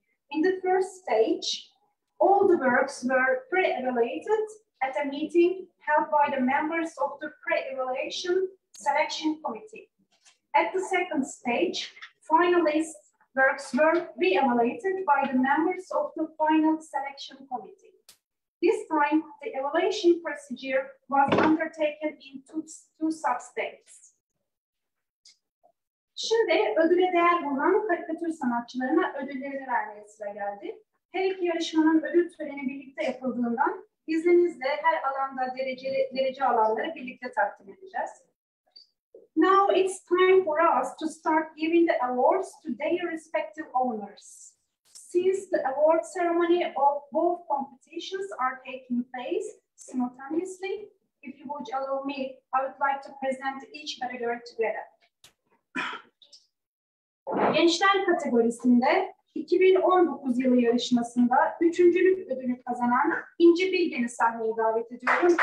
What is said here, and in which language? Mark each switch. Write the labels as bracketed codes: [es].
[en] In the first stage, all the works were pre-evaluated at a meeting held by the members of the pre-evaluation selection committee. At the second stage, finalist works were re-evaluated by the members of the final selection committee. This time, the evaluation procedure was undertaken in two sub-stages. [tr] Şimdi ödüle değer bulunan karikatür sanatçılarına ödüllerini vermeye sıra geldi. Her iki yarışmanın ödül töreni birlikte yapıldığından izninizle her alanda derece alanları birlikte takdim edeceğiz. [en] Now it's time for us to start giving the awards to their respective owners. Since the award ceremony of both competitions are taking place simultaneously, if you would allow me, I would like to present each category together. [tr] Gençler kategorisinde 2019 yılı yarışmasında üçüncülük ödülü kazanan İnci Bilge'ni sahneye davet ediyorum.